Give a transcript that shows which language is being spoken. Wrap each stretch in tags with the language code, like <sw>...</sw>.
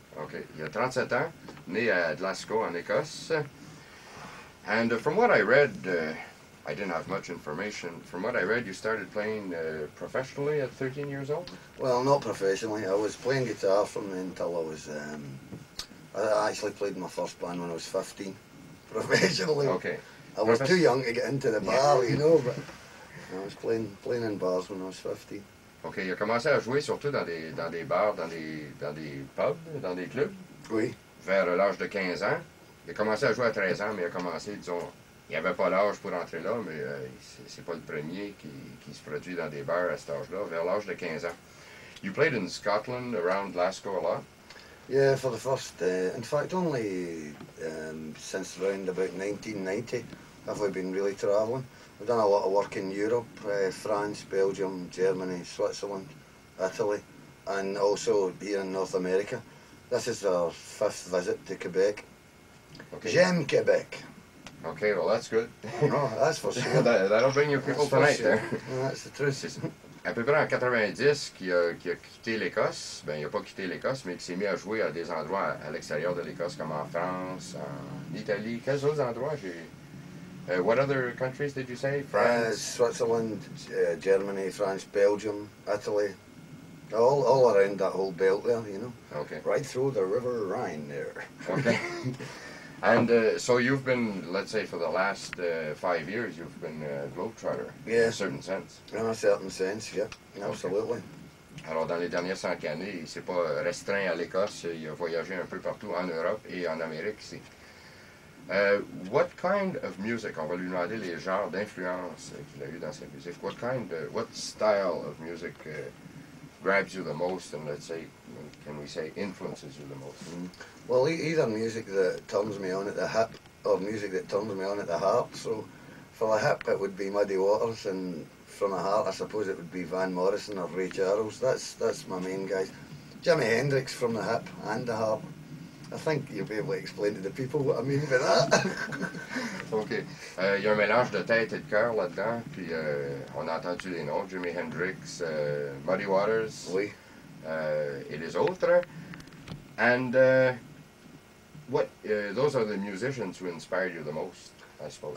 <fr>Okay, il y a 37 ans, né à Glasgow en Écosse.</fr> <en>And from what I read, I didn't have much information, from what I read, you started playing professionally at 13 years old? Well, not professionally. I was playing guitar from then until I was... I actually played my first band when I was 15. Professionally. Okay. I was too young to get into the bar, you know, but I was playing in bars when I was 50.</en> <fr>Okay, you commencé à jouer surtout dans des bars, dans des pubs, dans des clubs. Oui. Vers l'âge de 15 ans. Il a commencé à jouer à 13 ans, mais il a commencé, disons, il avait pas l'âge pour entrer là, mais c'est pas le premier qui se produit dans des bars à cet âge-là, vers l'âge de 15 ans.</fr> <en>You played in Scotland, around Glasgow a lot. Yeah, for the first, in fact, only since around about 1990 have we been really travelling. We've done a lot of work in Europe, France, Belgium, Germany, Switzerland, Italy, and also here in North America. This is our fifth visit to Quebec. Okay.</en> <fr>J'aime Quebec.</fr> <en>Okay, well, that's good. No, that's for sure. That'll bring your people that's sure. There. That's the truth.</en> <fr>À peu près en 90, qui a quitté l'Écosse, ben il n'a pas quitté l'Écosse, mais qui s'est mis à jouer à des endroits à l'extérieur de l'Écosse, comme en France, en Italie. Quels autres endroits j'ai...</fr> <en>What other countries did you say? France? Switzerland, Germany, France, Belgium, Italy. All around that whole belt there, you know. Okay. Right through the River Rhine there. Okay. And so you've been, let's say, for the last 5 years, you've been a globetrotter. Yeah. In a certain sense. In a certain sense, yeah. Okay. Absolutely.</en> <fr>Alors, dans les dernières 5 années, il s'est pas restreint à l'Écosse, il a voyagé un peu partout en Europe et en Amérique ici.</fr> <en>What kind of music,</en> <fr>on va lui demander les genres d'influence qu'il a eu dans sa musique,</fr> <en>what style of music grabs you the most and, let's say, can we say, influences you the most? Mm. Well, either music that turns me on at the hip, or music that turns me on at the heart. So, for the hip, it would be Muddy Waters, and from the heart, I suppose it would be Van Morrison or Ray Charles. That's my main guys. Jimi Hendrix from the hip and the heart. I think you'll be able to explain to the people what I mean by that. Okay.</en> <fr>Il y a un mélange de tête et de cœur là-dedans, puis on a entendu les noms, Jimi Hendrix, Muddy Waters, oui. Et les autres.</fr> <en>And those are the musicians who inspired you the most, I suppose.</en>